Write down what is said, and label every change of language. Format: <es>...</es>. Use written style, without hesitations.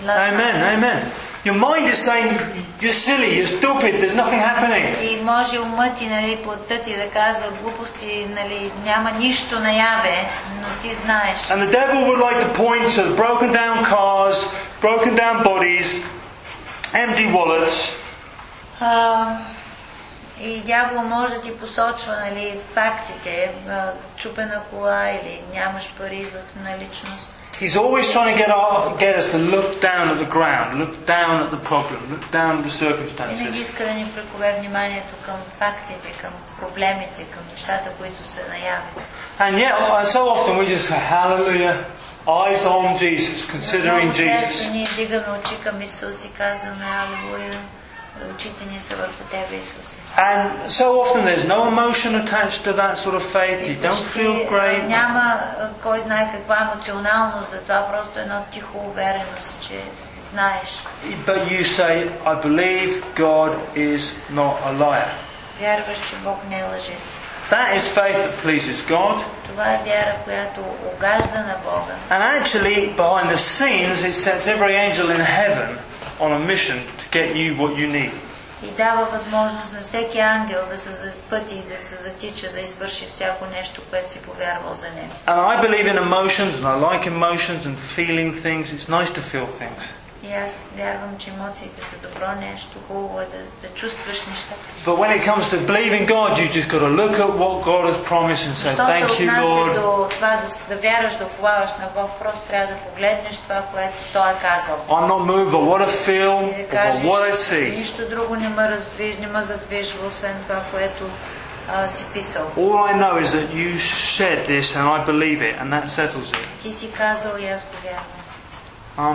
<en>Amen, amen. Your mind is saying, you're silly, you're stupid, there's nothing happening.</en> <bg>И може умът ти, нали, плътта ти да казва глупости, нали, няма нищо наяве, но ти знаеш.</bg> <en>And the devil would like to point to broken down cars, broken down bodies, empty wallets.</en> <bg>И дявол може да ти посочва, нали, фактите, чупена кола или нямаш пари в наличност.</bg> <en>He's always trying to get us to look down at the ground, look down at the problem, look down at the circumstances.</en> <bg>Винаги иска да ни прикове вниманието към фактите, към проблемите, към нещата, които се наяви.</bg> <en>And yet, and so often we just say, hallelujah, eyes on Jesus, considering Jesus.</en> <bg>Много често ние дигаме очи към Исус и казваме, hallelujah, очите ни са върху Тебе, Исусе.</bg> <en>And so often there's no emotion attached to that sort of faith. You don't feel great.</en> <bg>Няма кой знае каква емоционалност за това, просто едно тихо увереност, че знаеш.</bg> <en>But you say, I believe God is not a liar.</en> <bg>Вярваш, че Бог не лъже.</bg> <en>That is faith that pleases God.</en> <bg>Това е вяра, която угажда на Бога.</bg> <en>And actually, behind the scenes, it sets every angel in heaven on a mission to get you what you need.</en> <bg>и дава възможност на всеки ангел да се пъти, да се затича, да извърши всяко нещо, което си повярвал за него.</bg> <en>And I believe in emotions and I like emotions and feeling things. It's nice to feel things.</en> <bg>И аз вярвам, че емоциите са добро нещо, хубаво е да чувстваш неща.</bg> <en>But when it comes to believing God, you just got to look at what God has promised and say thank you, Lord.</en> <bg>Защото от нас е до това да вярваш, да плаваш на Бог, просто трябва да погледнеш това, което Той е казал.</bg> <en>I'm not moved, but what I feel, what I see.</en> <bg>Нищо друго не ме задвижва, освен това, което си писал.</bg> <en>All I know is that you said this and I believe it and that settles it.</en> <bg>Ти си казал и аз го вярвам.</bg>